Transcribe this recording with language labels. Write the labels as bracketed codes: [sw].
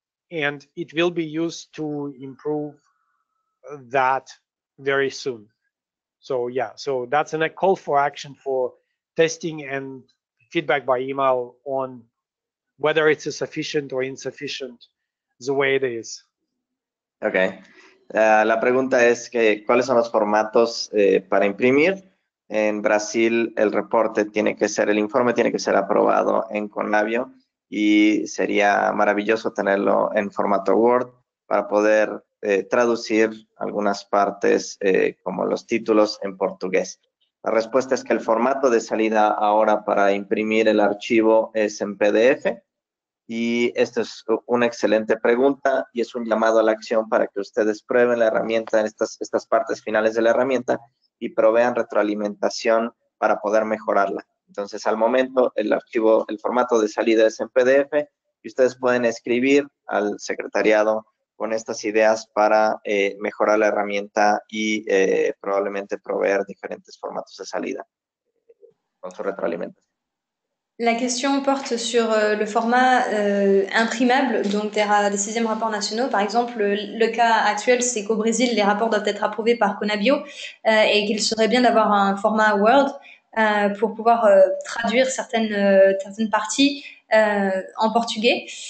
[en] And it will be used to improve that very soon. So yeah, so that's a call for action for testing and feedback by email on whether it's a sufficient or insufficient the way it is. Okay. [es] La pregunta es que cuáles son los formatos para imprimir. En Brasil, el reporte tiene que ser, el informe tiene que ser aprobado en Conlabio y sería maravilloso tenerlo en formato Word para poder traducir algunas partes como los títulos en portugués. La respuesta es que el formato de salida ahora para imprimir el archivo es en PDF y esta es una excelente pregunta y es un llamado a la acción para que ustedes prueben la herramienta, estas partes finales de la herramienta y provean retroalimentación para poder mejorarla. Entonces, al momento, el archivo, el formato de salida es en PDF y ustedes pueden escribir al secretariado con estas ideas para mejorar la herramienta y probablemente proveer diferentes formatos de salida con su retroalimentación. [fr] La question porte sur le format imprimable, donc des 6e rapports nationaux. Par exemple, le cas actuel, c'est qu'au Brésil, les rapports doivent être approuvés par Conabio et qu'il serait bien d'avoir un format Word pour pouvoir traduire certaines parties en portugais.